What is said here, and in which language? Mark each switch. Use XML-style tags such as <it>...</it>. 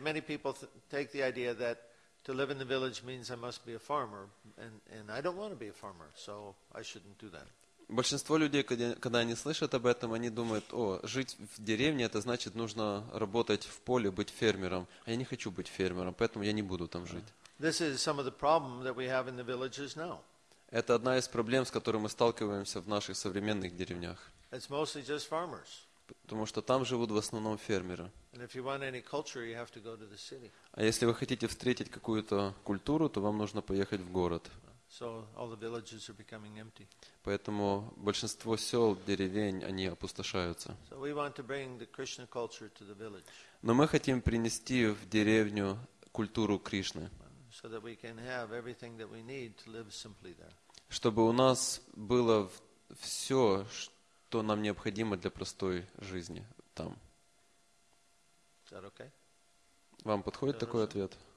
<en>Many people take the idea that to live in the village means I must be a farmer, and I don't want to be a farmer, so I shouldn't do that.</en> <ru>Большинство людей, когда они слышат об этом, они думают: о, жить в деревне, это значит, нужно работать в поле, быть фермером. А я не хочу быть фермером, поэтому я не буду там жить.</ru> <en>This is some of the problem that we have in the villages now.</en> <ru>Это одна из проблем, с которой мы сталкиваемся в наших современных деревнях.</ru> <en>It's mostly just farmers.</en> <ru>Потому что там живут в основном фермеры.</ru> <en>And if you want any culture, you have to go to the city.</en> <ru>А если вы хотите встретить какую-то культуру, то вам нужно поехать в город.</ru> <en>So all the villages are becoming empty.</en> <ru>Поэтому большинство сел, деревень, они опустошаются.</ru> <en>So we want to bring the Krishna culture to the village.</en> <ru>Но мы хотим принести в деревню культуру Кришны.</ru> <en>So that we can have everything that we need to live simply there.</en> <ru>Чтобы у нас было все, что нам необходимо для простой жизни там.</ru> <en>Is that okay?</en> <ru>Вам подходит такой ответ?</ru>